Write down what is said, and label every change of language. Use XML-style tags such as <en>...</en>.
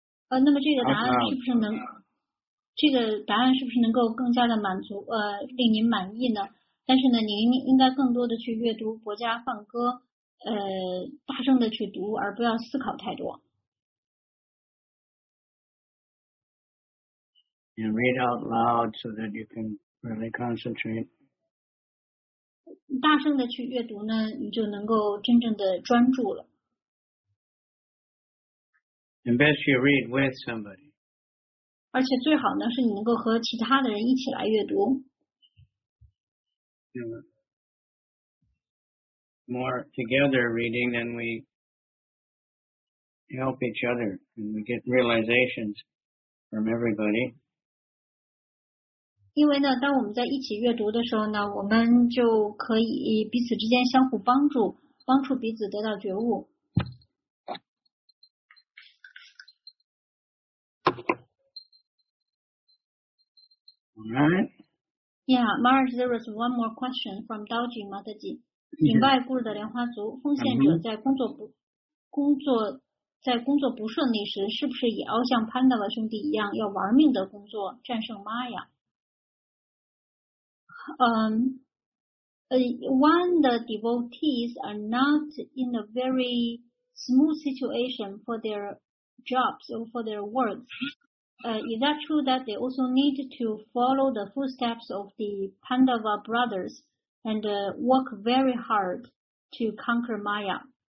<zh>那么这个答案是不是能？这个答案是不是能够更加的满足？令您满意呢？但是呢，您应该更多的去阅读《薄伽梵歌》，大声的去读，而不要思考太多。</zh> <en>And read out loud so that you can really concentrate.</en> <zh>大声的去阅读呢，你就能够真正的专注了。</zh> <en>And best you read with somebody.</en> <zh>而且最好呢，是你能够和其他的人一起来阅读。</zh> <en>More together reading than we help each other and we get realizations from everybody.</en> <zh>因为呢，当我们在一起阅读的时候呢，我们就可以彼此之间相互帮助，帮助彼此得到觉悟。</zh> <en>Alright. Yeah, Maharaj, there is one more question from Dalji Mataji.</en> <zh>明白故事的莲花族奉献者在工作不顺利时，是不是也要像潘达的兄弟一样，要玩命的工作，战胜玛雅？</zh> <en>When the devotees are not in a very smooth situation for their jobs or for their work, is that true that they also need to follow the footsteps of the Pandava brothers and work very hard to conquer Maya?</en>